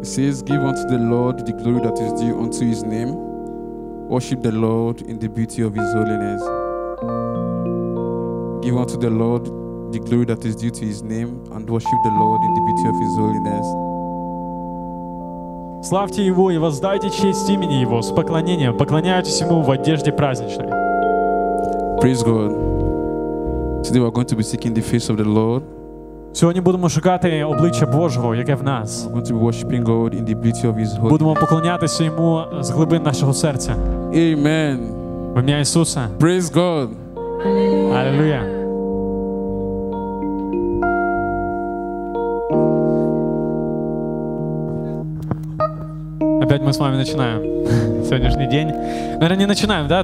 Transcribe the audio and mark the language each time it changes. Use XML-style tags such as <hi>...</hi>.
<en>It says, give unto the Lord the glory that is due unto his name. Worship the Lord in the beauty of his holiness. Give unto the Lord the glory that is due to his name, and worship the Lord in the beauty of his holiness.</en> <ru>Славьте его и воздайте честь имени его с поклонением. Поклоняйтесь ему в одежде праздничной.</ru> <en>Praise God. Today we're going to be seeking the face of the Lord.</en> <ru>Сегодня будем шукать обличие Божьего, яке в нас.</ru> <en>We're going to be worshiping God in the beauty of his holiness.</en> <ru>Будем поклоняться ему с глубин нашего сердца.</ru> <en>Amen.</en> <ru>Во имя Иисуса.</ru> <en>Praise God.</en> <ru>Аллилуйя. Опять мы с вами начинаем сегодняшний день. Наверное, не начинаем, да?</ru>